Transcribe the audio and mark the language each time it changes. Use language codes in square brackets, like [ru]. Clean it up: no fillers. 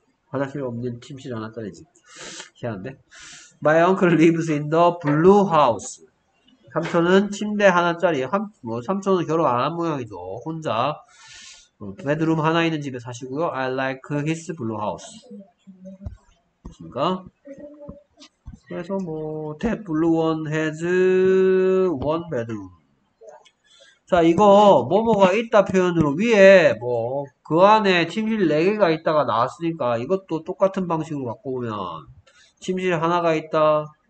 [ko] 화장실 없는 침실 하나 떨어지. 희한한데. [en] My uncle lives in the blue house. [ko] 삼촌은 침대 하나짜리, 삼촌은 결혼 안한 모양이죠. 혼자, 베드룸 하나 있는 집에 사시고요. [en] I like his blue house. [ko] 그니까. 그래서 뭐, [en] that blue one has one bedroom. [ko] 자, 이거, 뭐뭐가 있다 표현으로 위에, 뭐, 그 안에 침실 4개가 있다가 나왔으니까 이것도 똑같은 방식으로 바꿔보면, 침실 하나가 있다.